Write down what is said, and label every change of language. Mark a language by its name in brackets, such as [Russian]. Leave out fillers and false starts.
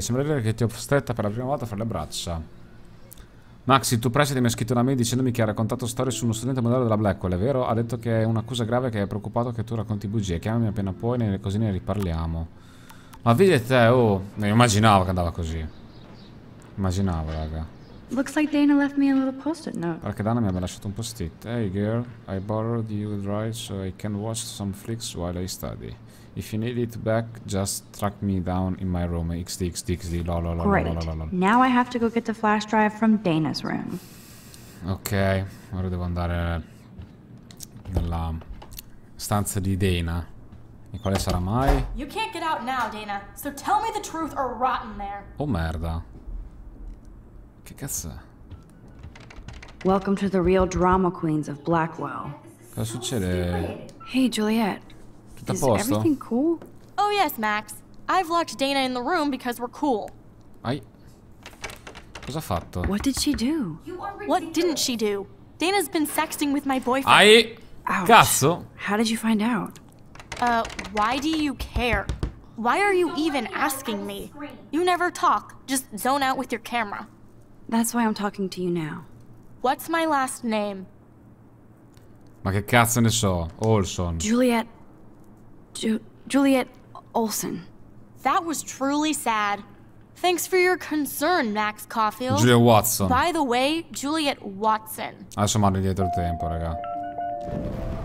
[Italian] Sembra dire che ti ho stretta per la prima volta fra le braccia. Maxi, il tuo preside mi ha scritto da me dicendomi che ha raccontato storie su uno studente modello della Blackwell, è vero? Ha detto che è un'accusa grave, che è preoccupato che tu racconti bugie. Chiamami appena puoi, così ne riparliamo. Ma vedi te, oh, non immaginavo che andava così. Immaginavo, raga. [English] Looks like Dana left me a little post-it note. [Italian] Perché Dana mi aveva lasciato un post-it. [English] Hey girl, I borrowed you the right so I can watch some flicks while I study. If you need it back, just track me down in my room. XDXDXD. Lololololol. Now I have to go get the flash drive from Dana's room. [Italian] Ok, ora devo andare nella stanza di Dana. E quale sarà mai? [English] You can't get out now, Dana. So tell me the truth or rotten there. [Italian] Oh merda. Che cazzo? [English] Welcome to the real drama queens of Blackwell. [Italian] Cosa succede? [English] Hey, Juliet. Is everything cool? Oh yes, Max. I've locked Dana in the room because we're cool. [Italian] Ai. Cosa ha fatto? [English] What did she do? What didn't she do? Dana's been sexting with my boyfriend. [Italian] Ai. Cazzo. [English] How did you find out? Why do you care? Why are you even asking me? You never talk. Just zone out with your camera. That's why I'm talking to you now. What's my last name? [Italian] Ma che cazzo ne so, Olson. [English] Juliet. Juliet Olson. That was truly sad. Thanks for your concern, Max Caulfield. Juliet Watson. By the way, Juliet Watson. [Italian] Adesso mando indietro il tempo, raga.